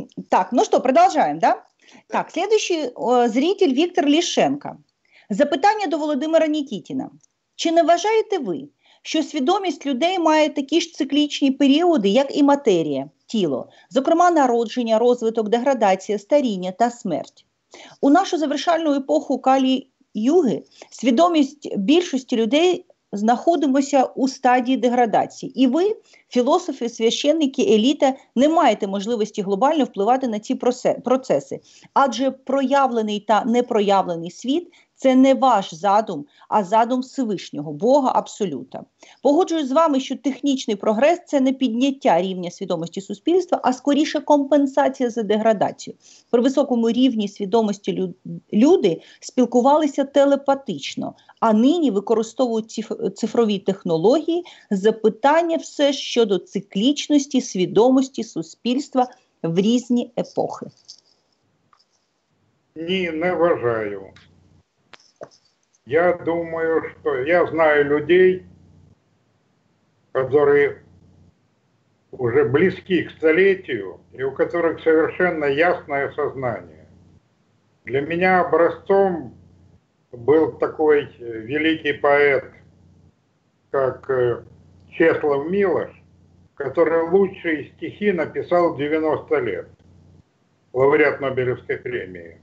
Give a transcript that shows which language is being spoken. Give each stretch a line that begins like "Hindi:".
Russian: Так, ну что, продолжаем, да? Так, следующий зритель Виктор Лишенко.
Ukrainian: Запитання до Володимира Нікітіна. Чи не вважаєте ви, що свідомість людей має такі ж циклічні періоди, як і матерія, тіло, зокрема народження, розвиток, деградація, старіння та смерть? У нашу завершальну епоху Калі-Юги свідомість більшості людей знаходимося у стадії деградації. І ви, філософи, священники, еліта, не маєте можливості глобально впливати на ці процеси. Адже проявлений та непроявлений світ – це не ваш задум, а задум Всевишнього, Бога Абсолюта. Погоджуюсь з вами, що технічний прогрес – це не підняття рівня свідомості суспільства, а скоріше компенсація за деградацію. При високому рівні свідомості люди спілкувалися телепатично, а нині використовують цифрові технології. Запитання все щодо циклічності свідомості суспільства в різні епохи. Ні, не вважаю.
Russian: Я думаю, что я знаю людей, которые уже близки к столетию и у которых совершенно ясное сознание. Для меня образцом был такой великий поэт, как Чеслав Милош, который лучшие стихи написал в 90 лет, лауреат Нобелевской премии.